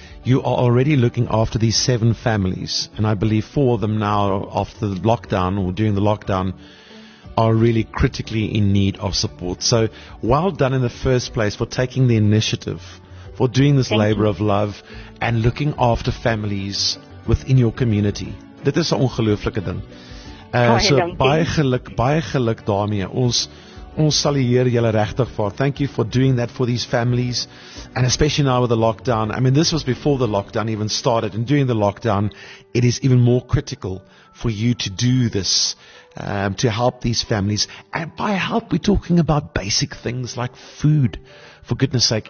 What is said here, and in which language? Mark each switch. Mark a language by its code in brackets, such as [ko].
[en] You are already looking after these seven families, and I believe four of them now, after the lockdown or during the lockdown, are really critically in need of support. So well done in the first place for taking the initiative, for doing this labor of love and looking after families within your community. [af] Dit is 'n ongelooflike ding. So baie geluk daarmee. Ons sal hier julle regtig vaar. [en] Thank you for doing that for these families, and especially now with the lockdown. I mean, this was before the lockdown even started, and during the lockdown, it is even more critical for you to do this. To help these families. And by help, we're talking about basic things like food, for goodness sake.